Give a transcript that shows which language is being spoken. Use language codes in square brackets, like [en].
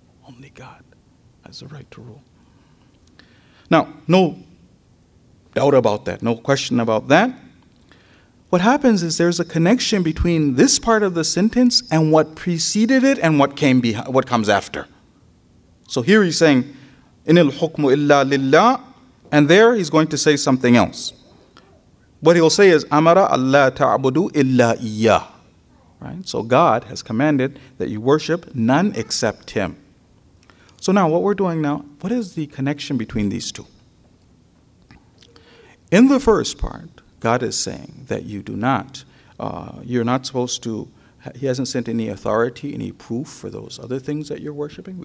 [en] Only God has the right to rule. Now, no doubt about that, no question about that. What happens is there's a connection between this part of the sentence and what preceded it and what came behind, what comes after. So here he's saying, [ar] إن الحكم إلا لله, [en] and there he's going to say something else. What he'll say is, [ar] أمر الله تعبد إلا إياه. [en] Right? So God has commanded that you worship none except him. So now what we're doing now, what is the connection between these two? In the first part, God is saying that you do not, you're not supposed to, he hasn't sent any authority, any proof for those other things that you're worshiping.